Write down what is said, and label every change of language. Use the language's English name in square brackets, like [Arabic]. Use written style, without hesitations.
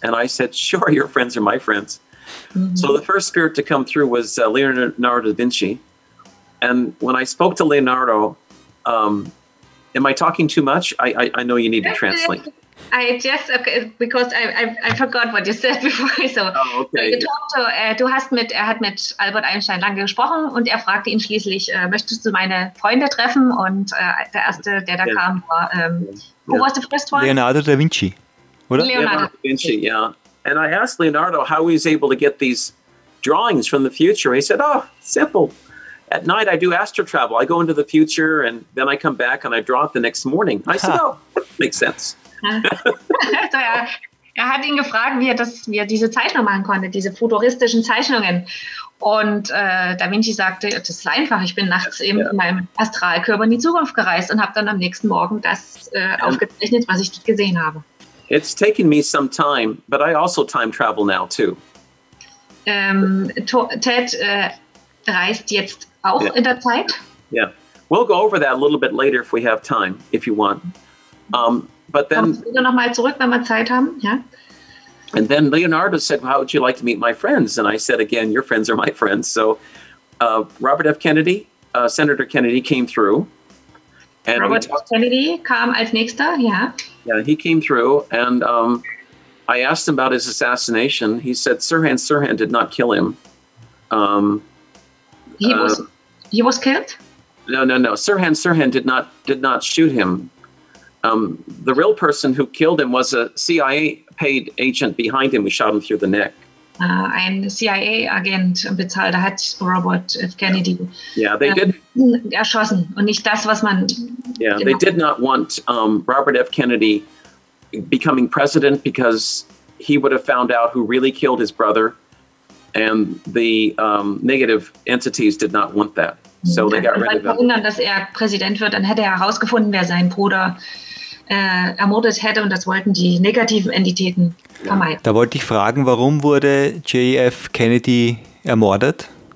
[English] And I said, sure, your friends are my friends. Mm-hmm. So the first spirit to come through was Leonardo da Vinci. And when I spoke to Leonardo, am I talking too much? I know you need to translate. I just, okay, because I forgot what you said before. [German] So, er hat mit Albert Einstein lange gesprochen, und er fragte ihn schließlich, möchtest du meine Freunde treffen? Und der erste, der da kam, war, [English] was the first one? [German] Leonardo da Vinci. Oder? [English] Leonardo da Vinci, yeah. And I asked Leonardo how he was able to get these drawings from the future. He said, oh, simple. At night, I do astral travel. I go into the future, and then I come back and I draw it the next morning. I said, "Oh, makes sense." [German] So, er hat ihn gefragt, wie er diese Zeichnungen machen konnte, diese futuristischen Zeichnungen. Und Da Vinci sagte, das ist einfach, ich bin nachts eben in meinem Astralkörper in die Zukunft gereist und habe dann am nächsten Morgen das aufgezeichnet, was ich gesehen habe. [English] It's taken me some time, but I also time travel now too. [German] Ted reist jetzt auch in der Zeit. [English] Yeah, we'll go over that a little bit later if we have time, if you want. But then. [German] Kommst du noch mal zurück, wenn wir Zeit haben, ja? [English] And then Leonardo said, well, how would you like to meet my friends? And I said, again, your friends are my friends. So Robert F. Kennedy, Senator Kennedy came through. And Robert F. [German] Kennedy kam als nächster, [English] Yeah, he came through and I asked him about his assassination. He said, Sirhan Sirhan did not kill him. He was killed? No. Sirhan Sirhan did not shoot him. The real person who killed him was a CIA paid agent behind him. We shot him through the neck. [German] Ein CIA agent bezahlt, hat Robert F. Kennedy. [English] Yeah, they did. [German] Erschossen und nicht das, was man. [English] Yeah, they did not want Robert F. Kennedy becoming president because he would have found out who really killed his brother, and the negative entities did not want that. So they got rid of him. [German] Verhindern, dass er Präsident wird, dann hätte er herausgefunden, wer sein Bruder ermordet hätte, und das wollten die negativen Entitäten vermeiden. Da wollte ich fragen, warum wurde JF Kennedy ermordet?